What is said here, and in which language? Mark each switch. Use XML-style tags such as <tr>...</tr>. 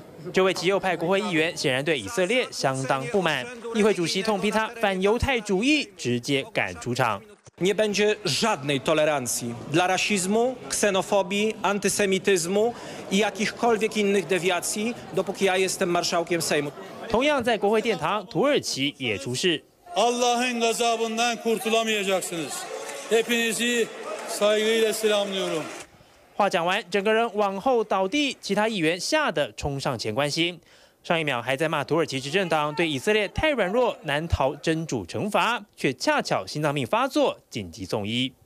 <zh>这位极右派国会议员显然对以色列相当不满，议会主席痛批他反犹太主义，直接赶出场。</zh> <pl>Nie będzie żadnej tolerancji dla rasizmu, ksenofobii, antysemityzmu i jakichkolwiek innych dewiacji, dopóki ja jestem marszałkiem Sejmu.</pl> <zh>同样在国会殿堂，土耳其也出事。</zh> <tr>Allah'ın gazabından kurtulamayacaksınız. Hepinizi saygıyla selamlıyorum.</tr> <zh>话讲完，整个人往后倒地，其他议员吓得冲上前关心。上一秒还在骂土耳其执政党对以色列太软弱，难逃真主惩罚，却恰巧心脏病发作，紧急送医。</zh>